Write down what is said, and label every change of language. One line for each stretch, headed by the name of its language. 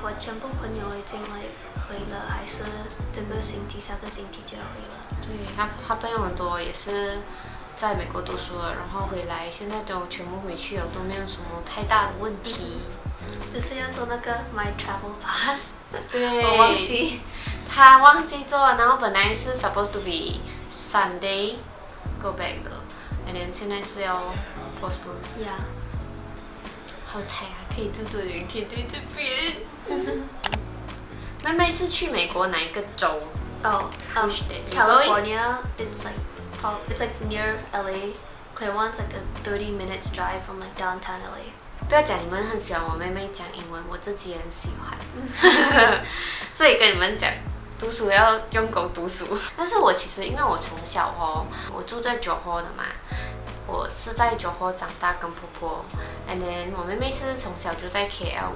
Chinese: 我全部朋友已经来回了，还是这个星期、下个星期就要回了。对，他朋友很多也是。在美国读书了，然后回来，现在都全部回去了，都没有什么太大的问题。只是要做那个 My Travel Pass，对，我忘记，他忘记做了，然后本来是
English: supposed to be Sunday go back
Chinese: 的，
English: and then
Chinese: 现在是要 postpone。 Yeah，好惨啊，可以住住云天在这边。妹妹是去美国哪一个州？
English: California inside. It's like near LA. Claremont's like a 30 minutes drive from like downtown LA.
Chinese: 不要讲你们很喜欢我妹妹讲英文，我自己也很喜欢。所以跟你们讲，读书要用功读书。但是我其实因为我从小哦，我住在Johor的嘛，我是在Johor长大跟婆婆 ，
English: and then
Chinese: 我妹妹是从小就在 KL。